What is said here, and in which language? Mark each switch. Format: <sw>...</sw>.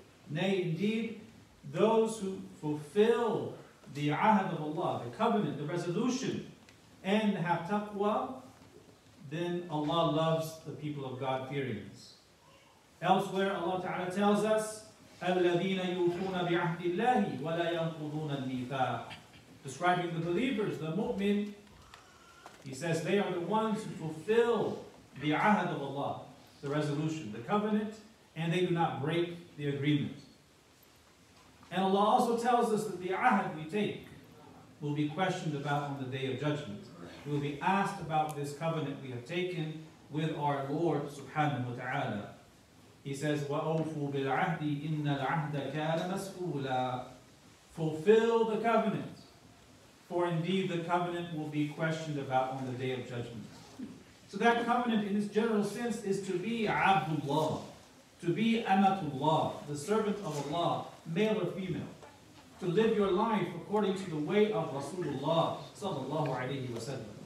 <en>Nay, indeed, those who fulfill the ahad of Allah, the covenant, the resolution, and have taqwa, then Allah loves the people of God fearing. Elsewhere, Allah Ta'ala tells us,</en> <ar>الَّذِينَ يُوفُونَ بِعَهْدِ اللَّهِ وَلَا يَنْقُضُونَ الْمِيثَاقَ.</ar> <en>Describing the believers, the mu'min, he says they are the ones who fulfill the ahad of Allah, the resolution, the covenant, and they do not break the agreement. And Allah also tells us that the ahd we take will be questioned about on the Day of Judgment. We will be asked about this covenant we have taken with our Lord subhanahu wa ta'ala. He says,</en> <ar>وَأَوْفُوا بِالْعَهْدِ إِنَّ الْعَهْدَ كَانَ مَسْئُولًا.</ar> <en>Fulfill the covenant, for indeed the covenant will be questioned about on the Day of Judgment. So that covenant in its general sense is to be Abdullah, to be Amatullah, the servant of Allah, male or female, to live your life according to the way of Rasulullah sallallahu alayhi wa sallam.</en>